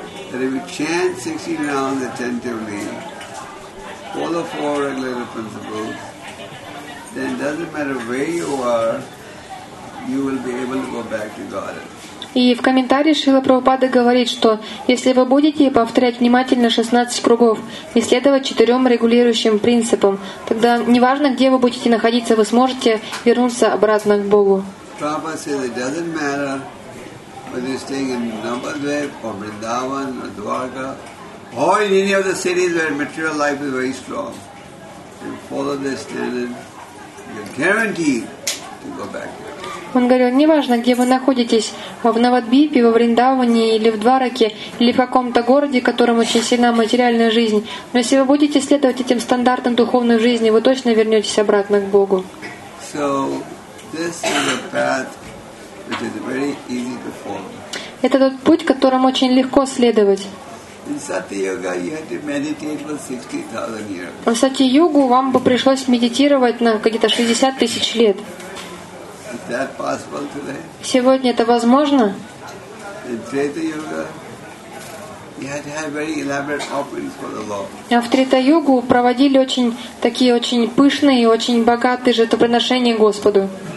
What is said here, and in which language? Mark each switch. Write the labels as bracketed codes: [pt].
[en] That if we chant 16 rounds attentively, follow four regular principles, then it doesn't matter where you are, you will be able to go back to God. [ru] И в комментарии Шрила Прабхупада говорит, что если вы будете повторять внимательно 16 кругов и следовать четырем регулирующим принципам, тогда неважно, где вы будете находиться, вы сможете вернуться обратно к Богу. [en] Prabhupada says it doesn't matter. Whether you're staying in Nambadvip or Vrindavan or Dwarka or in any of the cities where material life is very strong, you follow this standard, you're guaranteed to go back there. [ru] Он говорил, неважно, где вы находитесь, в Навадвипе, во Вриндаване, или в Двараке, или в каком-то городе, которому очень сильна материальная жизнь, но если вы будете следовать этим стандартам духовной жизни, вы точно вернетесь обратно к Богу. [en] So, this is a path which is very easy to follow. [ru] Это тот путь, которому очень легко следовать. [en] In Satya-yoga, you had to meditate for 60,000 years. [ru] В Сати-йогу вам бы пришлось медитировать на где-то 60 тысяч лет. [en] Is that possible today? [ru] Сегодня это возможно? [en] In Treta-yoga, You had to have very elaborate offerings for the Lord. [ru] А в Трита-йогу проводили очень такие очень пышные и очень богатые жертвоприношения Господу.